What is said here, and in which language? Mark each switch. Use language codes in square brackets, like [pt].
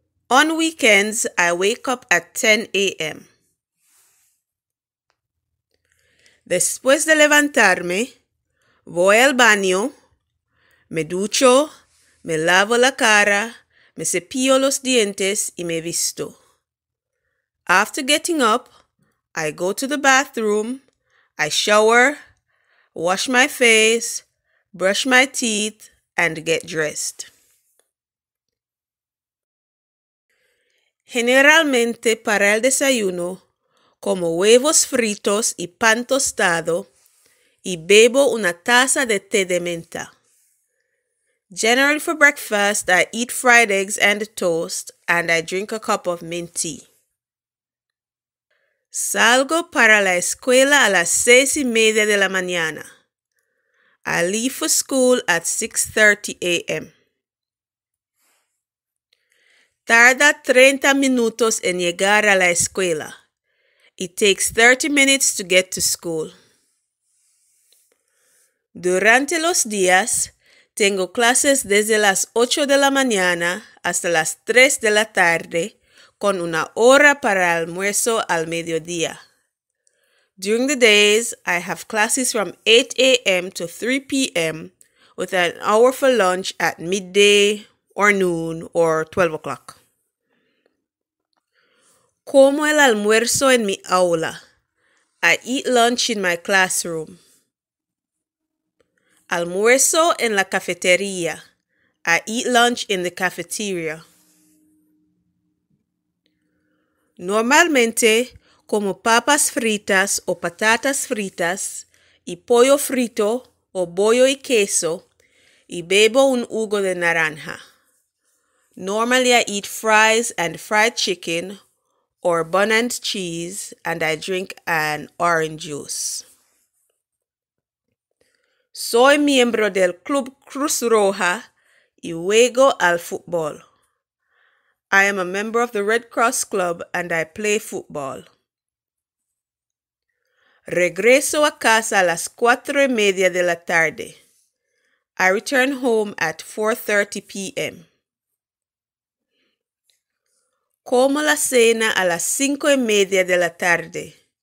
[en] On weekends, I wake up at 10 a.m. [es] Después de levantarme, voy al baño. Me ducho, me lavo la cara, me cepillo los dientes y me visto. [en] After getting up, I go to the bathroom, I shower, wash my face, brush my teeth, and get dressed. [es] Generalmente, para el desayuno, como huevos fritos y pan tostado, y bebo una taza de té de menta. [en] Generally, for breakfast, I eat fried eggs and toast, and I drink a cup of mint tea. [es] Salgo para la escuela a las 6:30 de la mañana. [en] I leave for school at 6:30 a.m. [es] Tarda 30 minutos en llegar a la escuela. [en] It takes 30 minutes to get to school. [es] Durante los días, tengo clases desde las 8 de la mañana hasta las 3 de la tarde, con una hora para almuerzo al mediodía. [en] During the days, I have classes from 8 a.m. to 3 p.m. with an hour for lunch at midday or noon or 12 o'clock. [es] Como el almuerzo en mi aula. [en] I eat lunch in my classroom. [es] Almuerzo en la cafetería. [en] I eat lunch in the cafeteria. [es] Normalmente, como papas fritas o patatas fritas, y pollo frito o bollo y queso, y bebo un jugo de naranja. [en] Normally, I eat fries and fried chicken, or bun and cheese, and I drink an orange juice. [es] Soy miembro del Club Cruz Roja y juego al fútbol. [en] I am a member of the Red Cross Club and I play football. [es] Regreso a casa a las 4:30 de la tarde. [en] I return home at 4:30 p.m. [es] Como la cena a las 5:30 de la tarde.